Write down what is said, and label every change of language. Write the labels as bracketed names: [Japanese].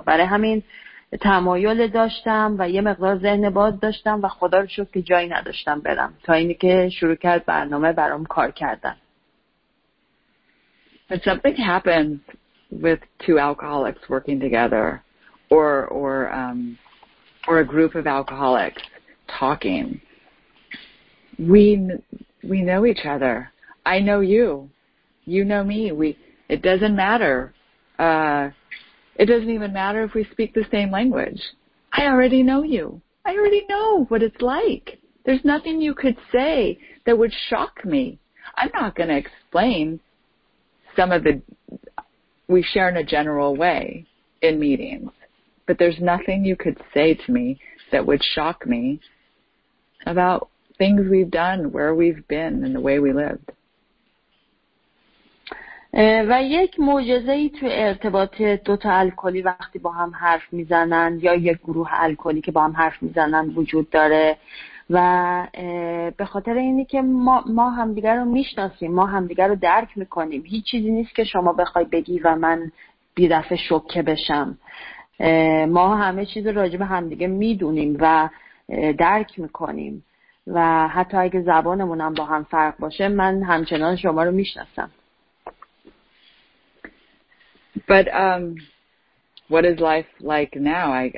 [Persian] برای همین تمایل داشتم و یه مقدار ذهن باز داشتم و خدا رو شکر که جایی نداشتم برم تا اینی که شروع کرد برنامه برام کار کردن. [English] But something happens with two alcoholics working together or a group of alcoholics talking. We know each other. I know you. You know me. It doesn't matter It doesn't even matter if we speak the same language. I already know you. I already know what it's like. There's nothing you could say that would shock me. I'm not going to explain some of the, we share in a general way in meetings, but there's nothing you could say to me that would shock me about things we've done, where we've been, and the way we lived. [Persian] و یک معجزه‌ای تو ارتباط دو تا الکلی وقتی با هم حرف میزنن یا یک گروه الکلی که با هم حرف میزنن وجود داره و به خاطر اینی که ما همدیگر رو میشناسیم، ما همدیگر رو درک میکنیم، هیچ چیزی نیست که شما بخوای بگی و من بی دفعه شوکه بشم. ما همه چیز راجع به همدیگه میدونیم و درک میکنیم و حتی اگه زبانمون هم با هم فرق باشه من همچنان شما رو میشناسم. [English] But what is life like now?